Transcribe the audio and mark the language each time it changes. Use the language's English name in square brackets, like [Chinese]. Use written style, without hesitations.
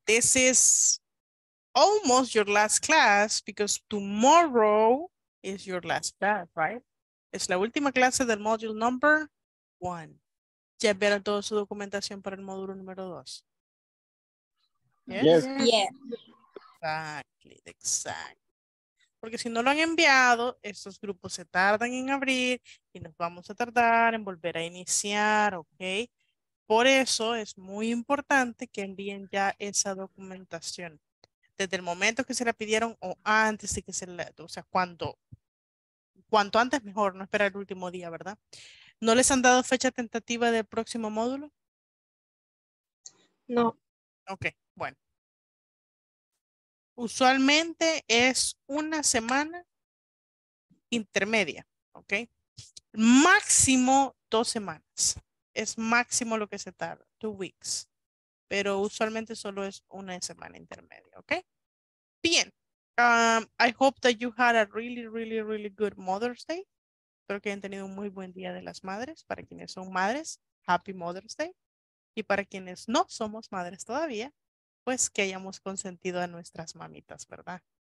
[English] This is almost your last class because tomorrow is your last class, right? [Spanish] Es la última clase del [English] module number one. [Spanish] Ya verá toda su documentación para el módulo número 2. [English] Yes. Exactly, exactly. [Spanish] Porque si no lo han enviado, estos grupos se tardan en abrir y nos vamos a tardar en volver a iniciar, ¿ok? Por eso es muy importante que envíen ya esa documentación. Desde el momento que se la pidieron o antes de que se la, o sea, cuanto antes mejor, no esperar el último día, ¿verdad? ¿No les han dado fecha tentativa del próximo módulo? No. Ok, bueno. Usualmente es una semana intermedia, ok. Máximo 2 semanas. Es máximo lo que se tarda, [English] 2 weeks. [Spanish] Pero usualmente solo es una semana intermedia, ok. Bien. [English] I hope that you had a really, really, really good Mother's Day. [Spanish] Espero que hayan tenido un muy buen día de las madres. Para quienes son madres, [English] Happy Mother's Day. [Spanish] Y para quienes no somos madres todavía, pues que hayamos consentido a nuestras mamitas, ¿verdad?